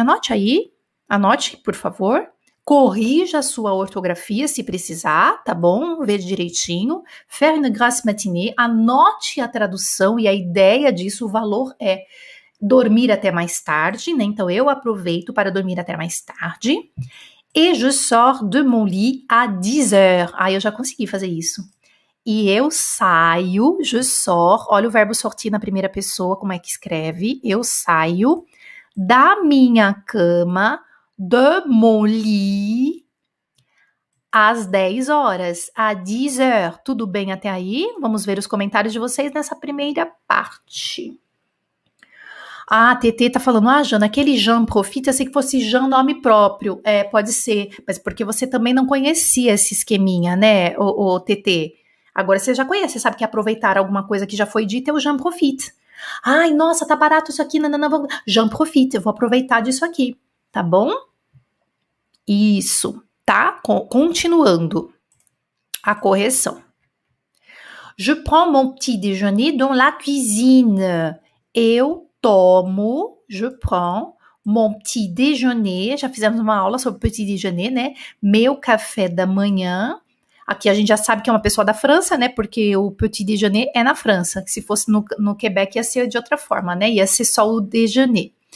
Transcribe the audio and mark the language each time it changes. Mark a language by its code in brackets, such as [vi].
[pt] Anote aí, anote, por favor. Corrija a sua ortografia se precisar, tá bom? Vê direitinho. [fr] Faire une grasse matinée, [pt] anote a tradução e a ideia disso, o valor é dormir até mais tarde, né? Então, eu aproveito para dormir até mais tarde. [fr] Et je sors de mon lit à 10 heures. [pt] Aí, eu já consegui fazer isso. E eu saio, [fr] je sors, [pt] olha o verbo sortir na primeira pessoa, como é que escreve. Eu saio da minha cama, [fr] de mon lit, [pt] às 10 horas, [fr] à 10 heures. [pt] Tudo bem até aí? Vamos ver os comentários de vocês nessa primeira parte. Ah, a Tetê tá falando, ah, Jana, aquele Jean Profite, eu sei que fosse Jean nome próprio. É, pode ser, mas porque você também não conhecia esse esqueminha, né, o Tetê. Agora você já conhece, sabe que aproveitar alguma coisa que já foi dita é o Jean Profite. Ai, nossa, tá barato isso aqui, não, Jean Profite, eu vou aproveitar disso aqui, tá bom? Isso, tá? Continuando a correção. [fr] Je prends mon petit déjeuner dans la cuisine. [pt] Eu tomo, [fr] je prends mon petit déjeuner, [pt] já fizemos uma aula sobre petit déjeuner, né, meu café da manhã, aqui a gente já sabe que é uma pessoa da França, né, porque o petit déjeuner é na França, se fosse no Quebec ia ser de outra forma, né, ia ser só o déjeuner.